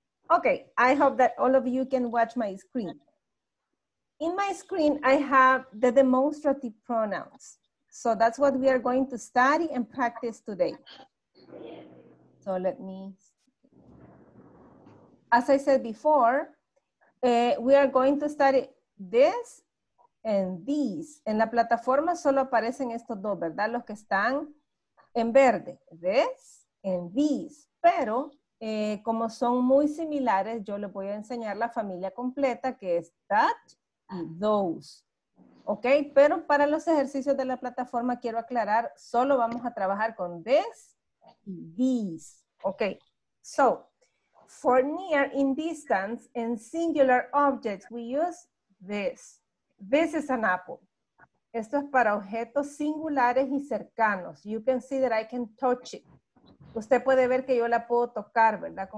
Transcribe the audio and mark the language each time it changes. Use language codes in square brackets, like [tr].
[en] Okay, I hope that all of you can watch my screen. In my screen, I have the demonstrative pronouns. So that's what we are going to study and practice today. So let me, as I said before, we are going to study this and these. [es] En la plataforma solo aparecen estos dos, ¿verdad? Los que están en verde. [en] This and these. [es] Pero como son muy similares, yo les voy a enseñar la familia completa que es that y those. Ok, pero para los ejercicios de la plataforma quiero aclarar, solo vamos a trabajar con this y these. [en] Ok, so, for near, in distance, and singular objects, we use this. This is an apple. [es] Esto es para objetos singulares y cercanos. [en] You can see that I can touch it. [es] Usted puede ver que yo la puedo tocar, ¿verdad?